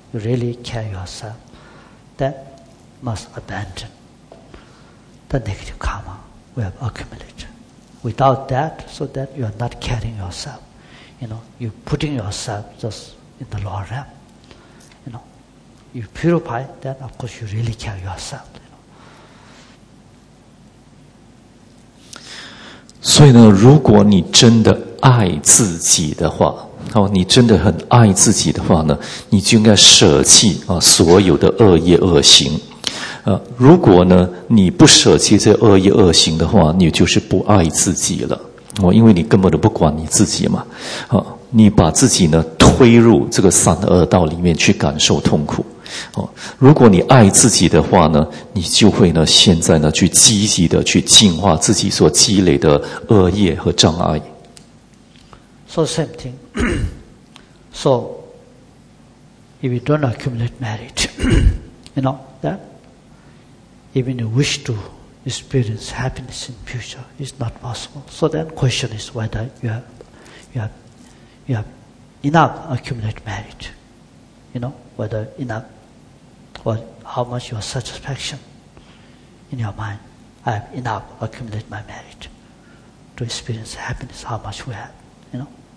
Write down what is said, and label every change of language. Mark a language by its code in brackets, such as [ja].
[en] You really care yourself, then must abandon the negative karma we have accumulated. Without that, so that you are not caring yourself, you know, you putting yourself just in the lower realm, you know, you purify, then of course you really care yourself, you know. [zh] 所以呢，如果你真的爱自己的话。哦，你真的很爱自己的话呢，你就应该舍弃啊所有的恶业恶行。如果呢你不舍弃这恶业恶行的话，你就是不爱自己了。哦，因为你根本都不管你自己嘛。哦，你把自己呢推入这个三恶道里面去感受痛苦。哦，如果你爱自己的话呢，你就会呢现在呢去积极的去净化自己所积累的恶业和障碍。 [en] So same thing. So if you don't accumulate merit, you know that even you wish to experience happiness in future, it's not possible. So then question is whether you have enough accumulate merit, you know, whether enough, or how much your satisfaction in your mind, I have enough accumulate my merit to experience happiness, how much we have, you know.